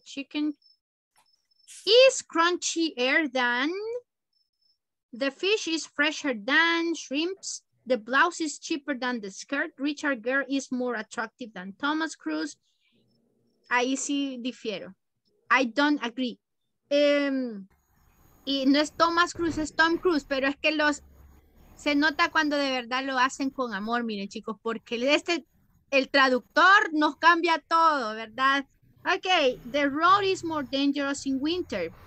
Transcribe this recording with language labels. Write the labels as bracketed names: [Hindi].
[English] Chicken is crunchier than the fish is fresher than shrimps. The blouse is cheaper than the skirt. Richard Gere is more attractive than Thomas Cruise. [Spanish] Ahí sí difiero. [English] I don't agree. [Spanish] Y no es Thomas Cruise, es Tom Cruise, pero es que los se nota cuando de verdad lo hacen con amor, miren chicos, porque el traductor nos cambia todo, ¿verdad? [English] Ok, the road is more dangerous in winter.